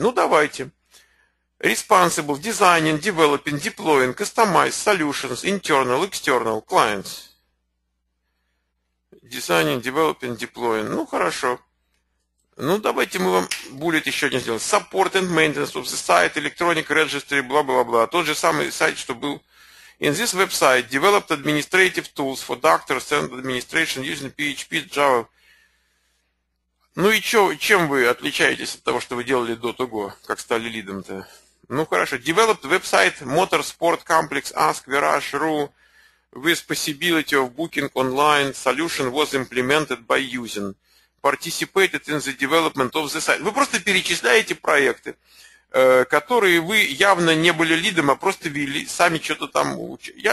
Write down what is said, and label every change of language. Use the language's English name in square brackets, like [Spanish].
[Russian] Ну давайте. [English] Responsible, designing, developing, deploying, customize, solutions, internal, external, clients. Designing, developing, deploying. [Russian] Ну хорошо. Ну, давайте мы вам bullet еще один сделаем. [English] Support and maintenance of the site, electronic registry, [Russian] бла-бла-бла. Тот же самый сайт, что был. [English] In this website, developed administrative tools for doctors and administration using PHP, Java. [Russian] Ну и че, чем вы отличаетесь от того, что вы делали до того, как стали лидом-то? Ну, хорошо. [English] Developed website, Motorsport Complex, Ask, Virage, Ru, with possibility of booking online, solution was implemented by using. Participated in the development of the site. [Russian] Вы просто перечисляете проекты, которые вы явно не были лидом, а просто вели, сами что-то там учили.